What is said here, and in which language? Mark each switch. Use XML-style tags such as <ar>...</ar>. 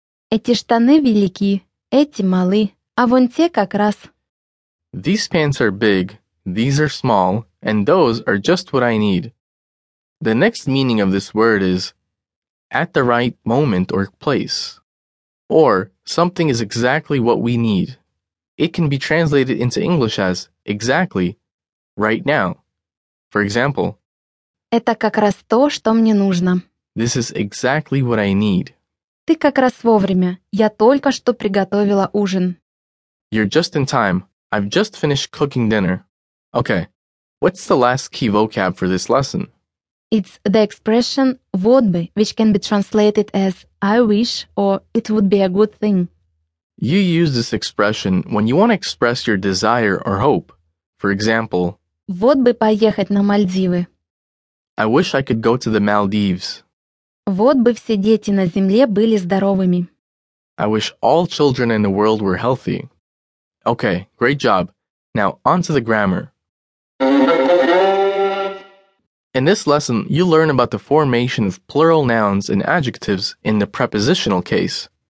<ru>Эти штаны велики, эти малы, а вон те как раз.</ru> <en>These pants are big, these are small, and those are just what I need. The next meaning of this word is at the right moment or place. Or something is exactly what we need. It can be translated into English as exactly, right now. For example,</en> <ru>это как раз то, что мне нужно.</ru> <en>This is exactly what I need.</en> <ru>Ты как раз вовремя. Я только что приготовила ужин.</ru> <en>You're just in time. I've just finished cooking dinner. Okay, what's the last key vocab for this lesson? It's the expression вот бы, which can be translated as I wish or it would be a good thing. You use this expression when you want to express your desire or hope. For example,</en> <ru>вот бы поехать на Мальдивы.</ru> <en>I wish I could go to the Maldives.</en> <ru>Вот бы все дети на земле были здоровыми.</ru> <en>I wish all children in the world were healthy. Okay, great job. Now, on to the grammar. In this lesson, you learn about the formation of plural nouns and adjectives in the prepositional case.</en>